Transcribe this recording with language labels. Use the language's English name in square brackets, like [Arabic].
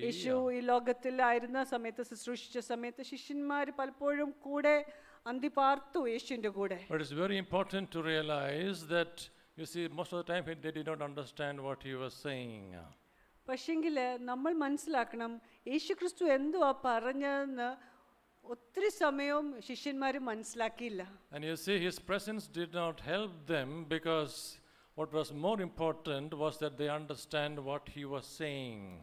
[Malayalam] യേശു ഈ ലോകത്തിലായിരുന്ന സമയത്ത്, ശുശ്രൂഷിച്ച സമയത്ത് ശിഷ്യന്മാർ പലപ്പോഴും കൂടെ അന്തിപാർത്തു യേശുവിന്റെ കൂടെ. [English] But it's very important to realize that, you see, most of the time they did not understand what he was saying. [Malayalam] പക്ഷേങ്കില് നമ്മൾ മനസ്സിലാക്കണം, യേശു ക്രിസ്തു എന്തുവാ പറഞ്ഞതെന്ന് ഒത്തിരി സമയവും ശിഷ്യന്മാർ മനസ്സിലാക്കിയില്ല. [English] And you see, his presence did not help them, because what was more important was that they understand what he was saying.